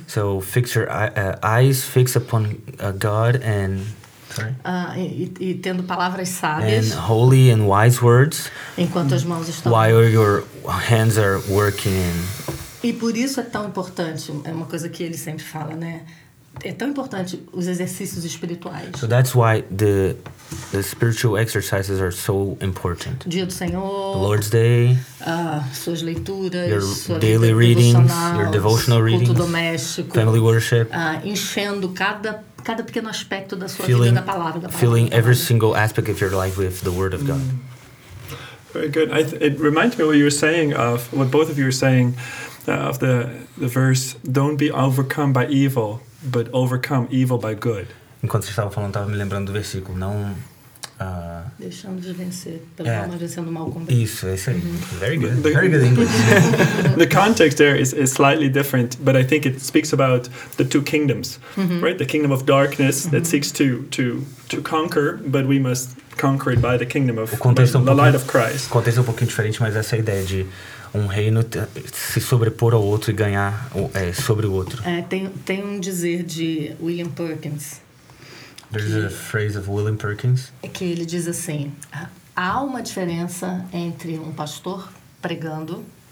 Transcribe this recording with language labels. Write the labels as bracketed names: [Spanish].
[English] So fix your eyes fix upon God and sorry. [Portuguese] E tendo palavras sábias. [English] And holy and wise words. [Portuguese] Enquanto as mãos estão. [English] While your hands are working. [Portuguese] E por isso é tão importante, é uma coisa que ele sempre fala, né? É tão importante os exercícios espirituais. [English] So that's why the spiritual exercises are so important. [Portuguese] Dia do Senhor. [English] The Lord's Day. [Portuguese] Suas leituras. [English] Your daily readings. Your devotional readings. [Portuguese] Culto doméstico. [English] Family worship. [Portuguese] Enchendo cada pequeno aspecto da sua vida da palavra. [English] Filling every single aspect of your life with the Word of God. Very good. It reminds me of what both of you were saying of the verse, "Don't be overcome by evil, but overcome evil by good." [Portuguese] Enquanto você estava falando, estava me lembrando do versículo. Não deixando de vencer pelo mal, vencendo o mal com bem. Isso, é isso aí. [English] Uh-huh. Very good. Very good English. The context there is slightly different, but I think it speaks about the two kingdoms, uh-huh. Right? The kingdom of darkness that seeks to conquer, but we must conquer it by the kingdom of the light of Christ. [Portuguese] O contexto é um pouquinho diferente, mas essa ideia de reino se sobrepor ao outro e ganhar sobre o outro. Tem dizer de William Perkins. [English] There's a phrase of William Perkins. [Portuguese] É que ele diz assim: há uma diferença entre pastor pregando.